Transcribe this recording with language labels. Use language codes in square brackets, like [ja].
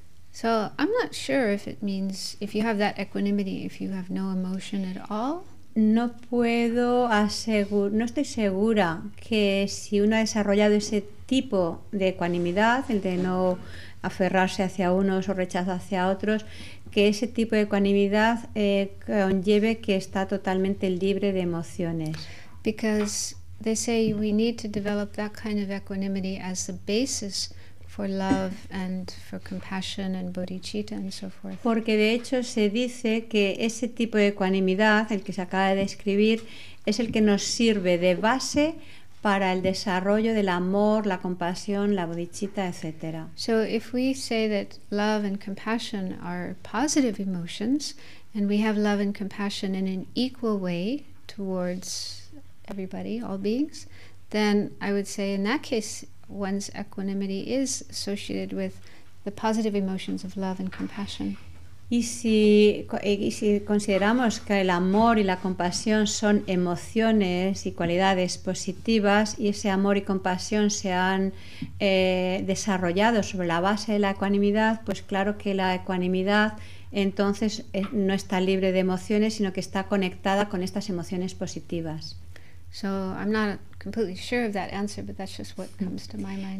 [en] So I'm not sure if it means if you have that equanimity if you have no emotion at all. [es] No estoy segura que si uno ha desarrollado ese tipo de ecuanimidad, el de no aferrarse hacia unos o rechazo hacia otros, que ese tipo de ecuanimidad conlleve que está totalmente libre de emociones. [en] Because they say we need to develop that kind of equanimity as the basis for love and for compassion and bodhicitta and so forth. [es] Porque de hecho se dice que ese tipo de ecuanimidad, el que se acaba de describir, es el que nos sirve de base para el desarrollo del amor, la compasión, la bodhicitta, etc. [en] So if we say that love and compassion are positive emotions And we have love and compassion in an equal way towards everybody, all beings, then I would say in that case, one's equanimity is associated with the positive emotions of love and compassion. [es] Y si consideramos que el amor y la compasión son emociones y cualidades positivas, y ese amor y compasión se han desarrollado sobre la base de la ecuanimidad, pues claro que la ecuanimidad entonces no está libre de emociones, sino que está conectada con estas emociones positivas. [en] So I'm not completely sure of that answer, but that's just what comes to my mind.